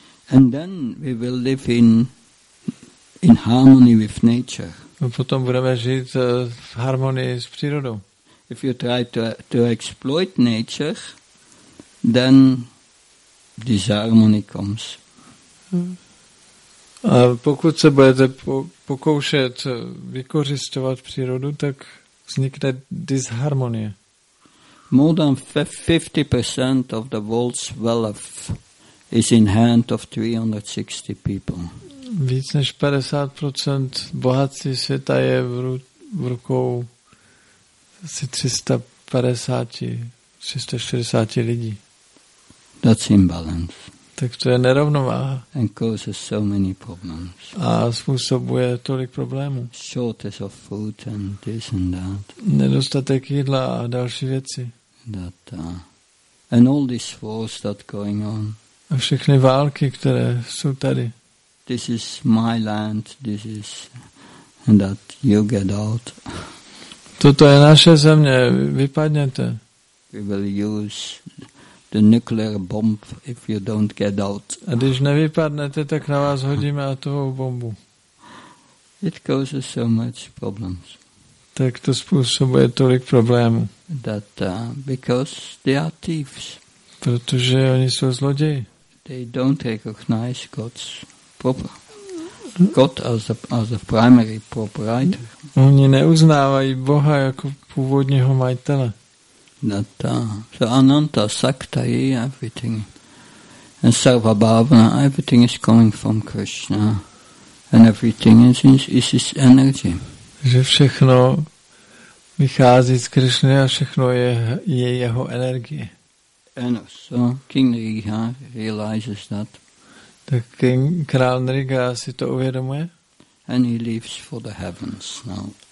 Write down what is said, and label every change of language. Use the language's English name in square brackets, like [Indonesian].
[English] And then we will live in harmony with nature. [Czech] A potom budeme žít v harmonii s přírodou. [English] If you try to exploit nature, then disharmony comes. [Czech] A pokud se budete pokoušet vykořisťovat přírodu, tak vznikne disharmonie. [English] More than 50% of the world's wealth is in hand of 360 people. [Czech] Víc než 50% bohatství světa je v rukou asi 360 lidí. [English] That's imbalance. [Czech] Tak to je nerovnováha. [English] And causes so many problems. [Czech] A způsobuje tolik problémů. [English] Shortage of food and this and that. [Czech] Nedostatek jídla a další věci. [English] That, and all this wars that going on. [Czech] A všechny války, které jsou tady. [English] This is my land, this is that you get out. [Czech] Toto je naše země, vypadněte. [English] We will use the nuclear bomb if you don't get out. [Czech] A když nevypadnete, tak na vás hodíme atomovou bombu. [English] It causes so much problems. [Czech] Tak to způsobuje tolik problémů. [English] That because they are thieves. [Czech] Protože oni jsou zloději. [English] They don't recognize God's God as a primary proprietor. [Czech] Oni neuznávají Boha jako původního majitele. [English] That, so Ananta, Saktai, everything. And Sarva Bhavana, everything is coming from Krishna. And everything is his energy. [Czech] Že všechno vychází z Krishny a všechno je jeho energie. [English] And so King Riga realizes that. [Czech] Tak [English] King [Czech] král Riga si to uvědomuje. [English] And he leaves for the heavens now.